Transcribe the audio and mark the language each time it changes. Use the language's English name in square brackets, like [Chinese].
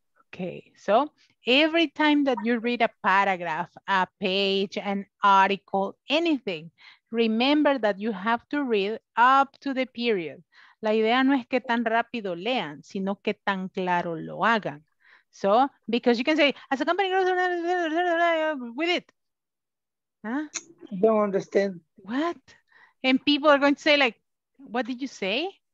[English] Okay, so every time that you read a paragraph, a page, an article, anything, remember that you have to read up to the period. [Spanish] La idea no es que tan rápido lean, sino que tan claro lo hagan. [English] So, because you can say, as a company grows with it. Huh? Don't understand. What? And people are going to say like, what did you say?